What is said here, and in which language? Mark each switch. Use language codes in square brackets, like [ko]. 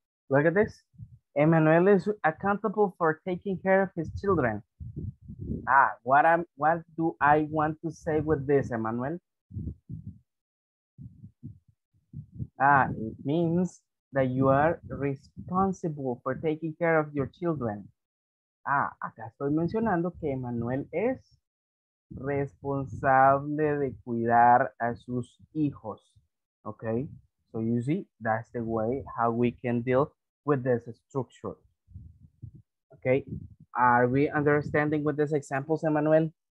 [en] Look at this. Emmanuel is accountable for taking care of his children. Ah, what do I want to say with this, Emmanuel? Ah, it means that you are responsible for taking care of your children. [es] Ah, acá estoy mencionando que Emmanuel es responsable de cuidar a sus hijos. [en] Okay, so you see, that's the way how we can deal with this structure. Okay, are we understanding with these examples, Emmanuel?